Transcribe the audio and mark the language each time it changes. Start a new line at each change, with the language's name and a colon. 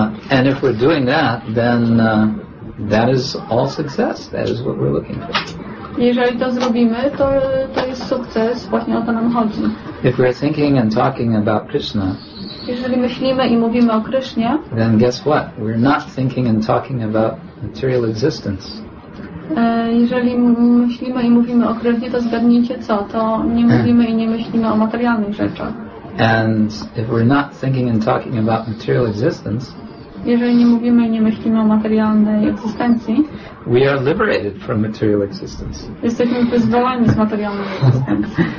English: And if we're doing that, then that is all success. That is what we're looking for.
Polish: Jeżeli to zrobimy, to jest sukces, właśnie o to nam chodzi.
English: If we're thinking and talking about Krishna,
Polish: jeżeli myślimy i mówimy o Krishnie,
English: then guess what? We're not thinking and talking about material existence.
Polish: Jeżeli myślimy i mówimy o Krishnie, to zgadnijcie co? To nie mówimy i nie myślimy o materialnych rzeczach.
English: And if we're not thinking and talking about material existence,
Polish: jeżeli nie mówimy i nie myślimy o materialnej egzystencji,
English: we are liberated from material existence.
Polish: Jesteśmy wyzwoleni z materialnej egzystencji.